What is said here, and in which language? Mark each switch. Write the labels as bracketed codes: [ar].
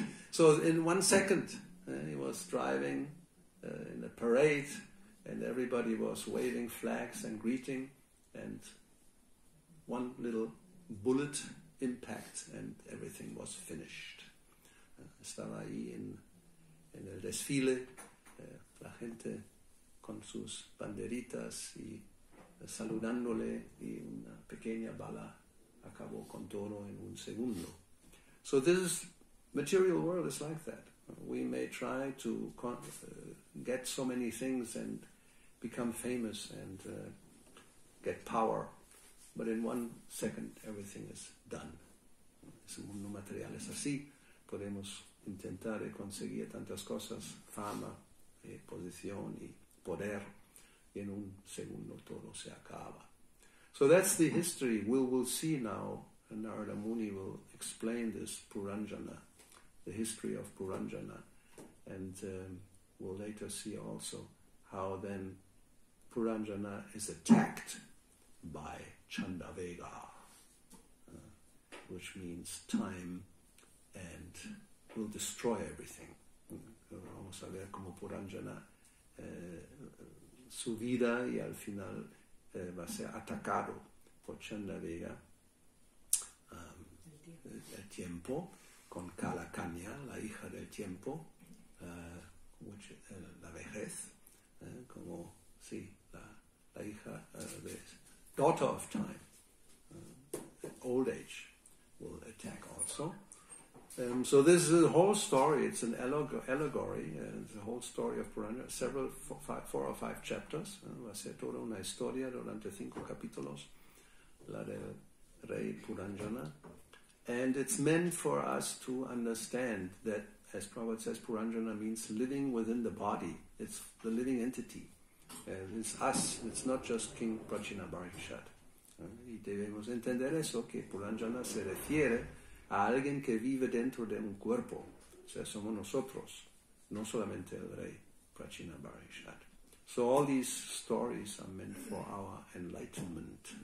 [en] So in 1 second, he was driving in a parade, and everybody was waving flags and greeting, and one little bullet impact, and everything was finished. [es] Estaba ahí en el desfile, la gente con sus banderitas y saludándole, y una pequeña bala acabó con todo en un segundo. [en] So this is, material world is like that. We may try to get so many things and become famous and get power, but in 1 second everything is done. [es] Es un mundo material, es así. Podemos intentar conseguir tantas cosas, fama, posición y poder, y en un segundo todo se acaba. [en] So that's the history. We will see now, and Narada Muni will explain this Puranjana, the history of Puranjana, and we'll later see also how then Puranjana is attacked by Chandavega, which means time, and will destroy everything. [es] Vamos a ver cómo Puranjana su vida y al final va a ser atacado por Chandavega, el tiempo, con Kalakanya, la hija del tiempo, la vejez, como sí, la hija de [en] daughter of time, old age will attack also. So this is a whole story. It's an allegory. It's a whole story of Puranjana, several four or five chapters. [es] Va a ser toda una historia durante 5 capítulos, la del rey Puranjana. [en] And it's meant for us to understand that, as Prabhupada says, Puranjana means living within the body. It's the living entity. It's us. It's not just King Prachinabharishad. [es] Y debemos entender eso, que Puranjana se refiere a alguien que vive dentro de un cuerpo. O sea, somos nosotros, no solamente el rey Prachinabharishad. [en] So all these stories are meant for our enlightenment.